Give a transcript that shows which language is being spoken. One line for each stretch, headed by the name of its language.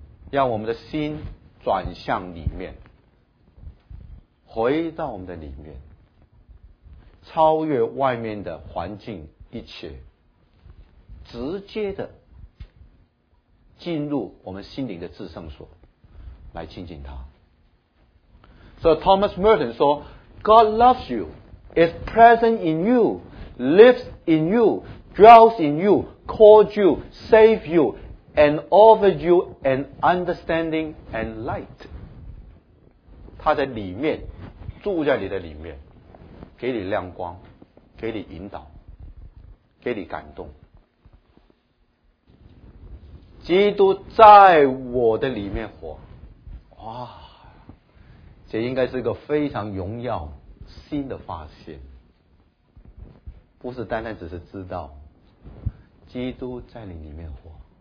Chinese: 让我们的心转向里面，回到我们的里面，超越外面的环境一切，直接的进入我们心灵的至圣所来亲近他。
English: So Thomas Merton
Chinese: 说，
English: God loves you, is present in you, lives in you, dwells in you, calls you, saves you, and offers you an understanding and light.
Chinese: 他在里面，住在你的里面，给你亮光，给你引导，给你感动。基督在我的里面活，哇，这应该是一个非常荣耀新的发现，不是单单只是知道基督在你里面活。